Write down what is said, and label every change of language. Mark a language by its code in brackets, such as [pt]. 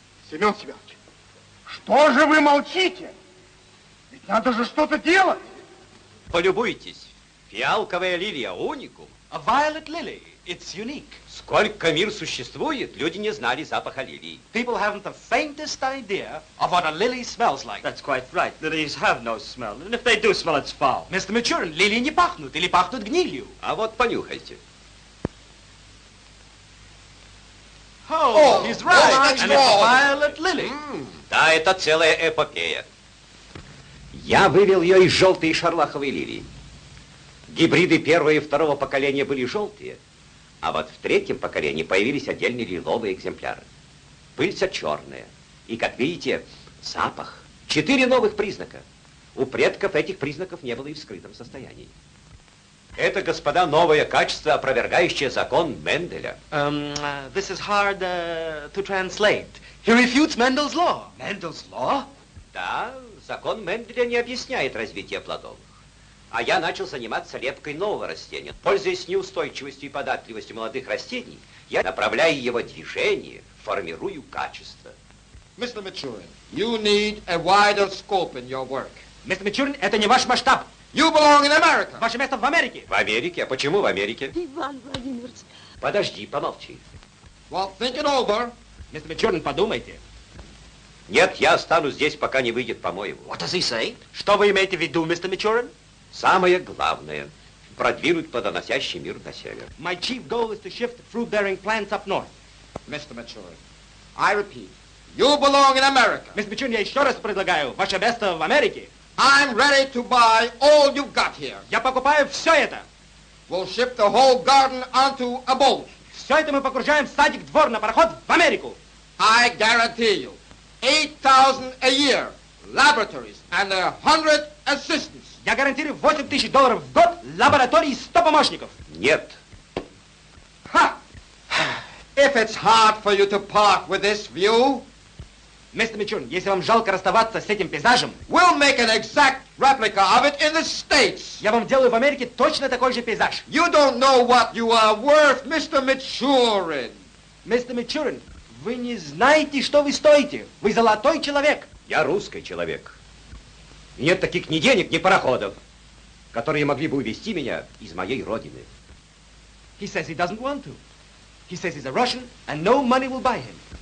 [ru] Семен Семенович, что же вы молчите? Ведь надо же что-то делать. Полюбуйтесь. Фиалковая лилия, уникум. [en] A violet lily, it's unique. [ru] Сколько мир существует, люди не знали запаха лилии. [en] People haven't the faintest idea of what a lily smells like. That's quite right. Lilies have no smell. And if they do smell, it's foul. Mr. [ru] Мичурин, лилии не пахнут или пахнут гнилью. А вот понюхайте. [en] Oh, he's right. Oh, and it's a violet lily. [ru] Да, это целая эпопея. Я вывел ее из желтой шарлаховой лилии. Гибриды первого и второго поколения были желтые, а вот в третьем поколении появились отдельные лиловые экземпляры. Пыльца черная. И, как видите, запах. Четыре новых признака. У предков этих признаков не было и в скрытом состоянии. Это, господа, новое качество, опровергающее закон Менделя. [en] This is hard to translate. He refutes Mendel's law. Mendel's law? [ru] Да, закон Менделя не объясняет развитие плодов. А я начал заниматься лепкой нового растения. Пользуясь неустойчивостью и податливостью молодых растений, я направляю его движение, формирую качество. [en] Mr. Maturin, you need a wider scope in your work. [ru] Mr. Maturin, это не ваш масштаб. [en] You belong in America. [ru] Ваше место в Америке. В Америке? А почему в Америке? Иван Владимирович. Подожди, помолчи. [en] Well, think it over. [ru] Mr. Maturin, подумайте. Нет, я останусь здесь, пока не выйдет, по-моему. [en] What does he say? [ru] Что вы имеете в виду, мистер Мичурин? Самое главное, продвинуть плодоносящий мир на север. [en] My chief goal is to shift fruit-bearing plants up north. Mr. Maturin, I repeat, you belong in America. Mr. [ru] Maturin, я еще раз предлагаю, ваше место в Америке. [en] I'm ready to buy all you've got here. [ru] Я покупаю все это. [en] We'll ship the whole garden onto a boat. [ru] Все это мы погружаем в садик, двор, на пароход в Америку. [en] I guarantee you. 8,000 a year, laboratories and 100 assistants. [ru] Я гарантирую 8000 долларов в год, лаборатории и 100 помощников. Нет. Ha! [en] If it's hard for you to part with this view, [ru] мистер Мичурин, если вам жалко расставаться с этим пейзажем, [en] we'll make an exact replica of it in the States. [ru] Я вам делаю в Америке точно такой же пейзаж. [en] You don't know what you are worth, Mr. Maturin. [ru] Мистер Мичурин, вы не знаете, что вы стоите. Вы золотой человек. Я русский человек. И нет таких ни денег, ни пароходов, которые могли бы увезти меня из моей родины. [en] He says he doesn't want to. He says he's a Russian and no money will buy him.